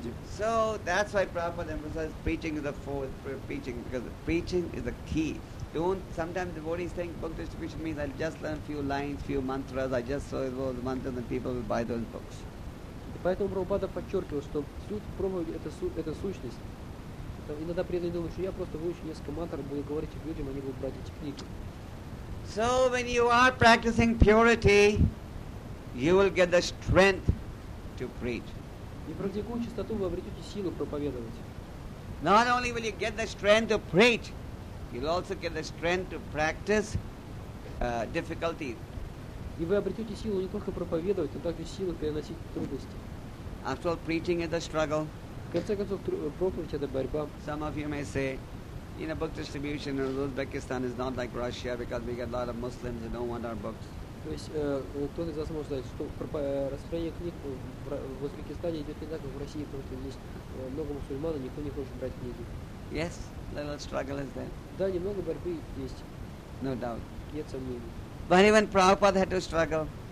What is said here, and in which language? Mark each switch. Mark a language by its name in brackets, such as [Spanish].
[English] So that's why Prabhupada emphasizes preaching is the fourth preaching, because preaching is the key. Sometimes devotees think book distribution means I'll just learn a few lines, few mantras, I just saw those mantras and people will buy those books. [Russian] Поэтому Прабхупада подчеркивал, что суть проповеди – это сущность. Это иногда преданный думает, что я просто выучу несколько мантр, буду говорить людям, они будут брать эти книги. [English] So when you are practicing purity, you will get the strength to preach. [Russian] И практикуя чистоту, вы обретете силу проповедовать. [English] Not only will you get the strength to preach, you'll also get the strength to practice difficulties. [Russian] И вы обретете силу не только проповедовать, но также силу переносить трудности. [English] After all, preaching is a struggle. [Russian] В конце концов, проповедь – это борьба. [English] Some of you may say, in a book distribution in Uzbekistan is not like Russia because we get a lot of Muslims who don't want our books. [Russian] То есть, кто-то из вас может сказать, что распространение книг в Узбекистане идет не так, как в России, потому что здесь много мусульман, и никто не хочет брать книги. [English] Yes, a little struggle is there. [Russian] Да, немного борьбы есть. [English] No doubt. [Russian] Нет сомнений. [English] But even Prabhupada had to struggle.